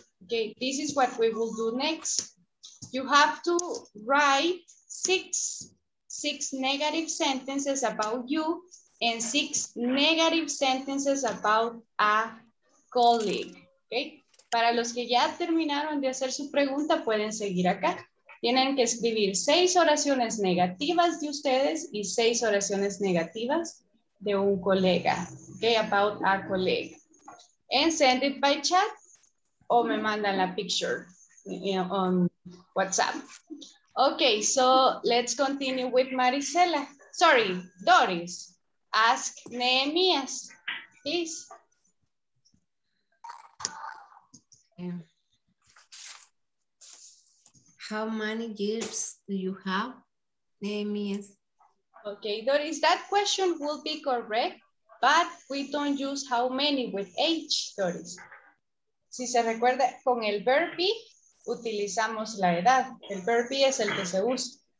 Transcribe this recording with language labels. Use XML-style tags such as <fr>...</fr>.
<en>Okay, this is what we will do next. You have to write six negative sentences about you and six negative sentences about a colleague, okay?</en> <es>Para los que ya terminaron de hacer su pregunta, pueden seguir acá. Tienen que escribir 6 oraciones negativas de ustedes y 6 oraciones negativas de un colega, okay?</es> <en>About a colleague. And send it by chat</en> <es>o me mandan la</es> <en>picture on WhatsApp. Okay, so let's continue with Marisela. Sorry, Doris. Ask Nehemías, please. How many years do you have, Nehemiah? Okay, Doris, that question will be correct, but we don't use how many with age, Doris.</en> <es>Si se recuerda, con el verb be, utilizamos la edad. El verb be es el que se usa.</es>